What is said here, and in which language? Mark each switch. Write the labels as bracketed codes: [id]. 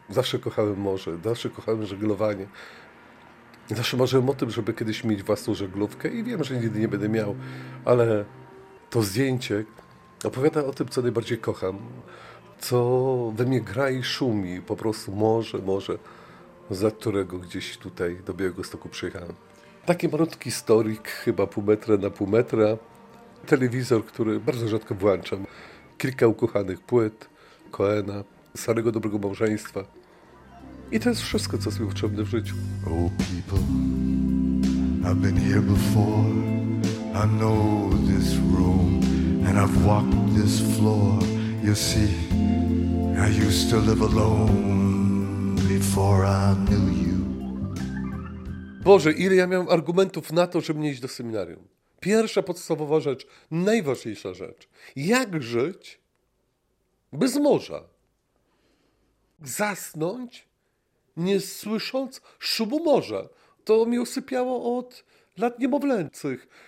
[pl] Zawsze kochałem morze, zawsze kochałem żeglowanie. Zawsze marzyłem o tym, żeby kiedyś mieć własną żeglówkę i wiem, że nigdy nie będę miał, ale to zdjęcie opowiada o tym, co najbardziej kocham, co we mnie gra i szumi, po prostu morze, za którego gdzieś tutaj do Białegostoku przyjechałem. Taki malutki storik, chyba pół metra na pół metra, telewizor, który bardzo rzadko włączam, kilka ukochanych płyt, Coena, starego dobrego małżeństwa. I to jest wszystko, co jest mi potrzebne w życiu. [en] Oh people, I've been here before. I know this room and I've walked this floor. You see, I used to live alone before I knew you. [pl] Boże, ile ja miałem argumentów na to, żeby nie iść do seminarium. Pierwsza podstawowa rzecz, najważniejsza rzecz. Jak żyć bez morza? Zasnąć? Nie słysząc szumu morza. To mnie usypiało od lat niemowlęcych.